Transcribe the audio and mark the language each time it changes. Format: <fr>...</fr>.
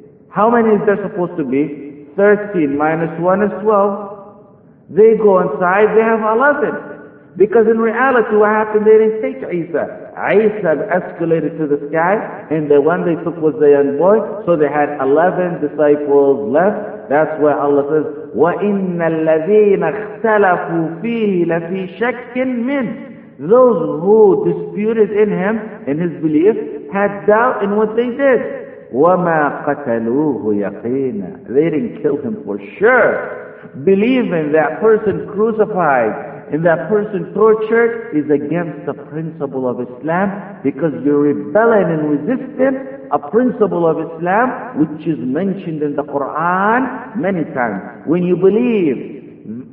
<en>How many is there supposed to be? 13 minus 1 is 12. They go inside, they have 11. Because in reality, what happened, they didn't take Isa. Isa escalated to the sky, and the one they took was the young boy, so they had 11 disciples left. That's why Allah says,</en> <ar>وَإِنَّ الَّذِينَ اخْتَلَفُوا فِيهِ لَفِي شَكٍّ مِّنْ.</ar> <en>Those who disputed in him, in his belief, had doubt in what they did.</en> <ar>وَمَا قَتَلُوهُ يَقِينًا.</ar> <en>They didn't kill him for sure. Believing that person crucified and that person tortured is against the principle of Islam, because you're rebelling and resisting a principle of Islam which is mentioned in the Quran many times. When you believe</en>